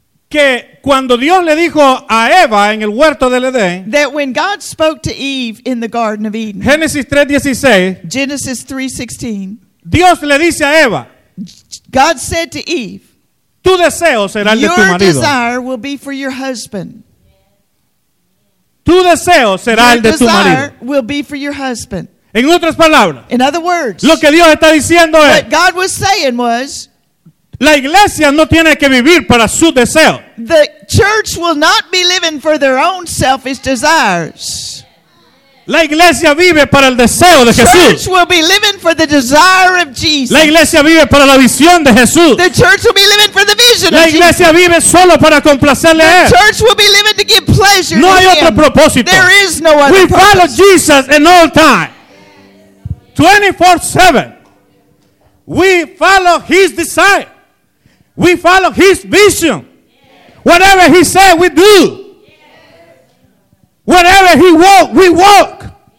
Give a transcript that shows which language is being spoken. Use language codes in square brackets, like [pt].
[es] Que cuando Dios le dijo a Eva en el huerto del Edén. [en] That when God spoke to Eve in the Garden of Eden. [es] Génesis 3:16. [en] Genesis 3:16. [es] Dios le dice a Eva. [en] God said to Eve. [es] Tu deseo será el de tu marido. [en] Your desire will be for your husband. [es] Tu deseo será [en] your [es] el de tu marido. [en] Your desire will be for your husband. [es] En otras palabras. [en] In other words. [es] Lo que Dios está diciendo es. [en] What God was saying was. [es] La iglesia no tiene que vivir para su deseo. [en] The church will not be living for their own selfish desires. [es] La iglesia vive para el deseo de Jesús. [en] The church will be living for the desire of Jesus. [es] La iglesia vive para la visión de Jesús. [en] The church will be living for the vision of Jesus. [es] La iglesia vive solo para complacerle a él. [en] The church will be living to give pleasure him. [es] No hay otro propósito. [en] There is no other We purpose. Follow Jesus in all time. 24/7. We follow his desire. We follow his vision. Whatever he said, we do. Whatever he walk, we walk.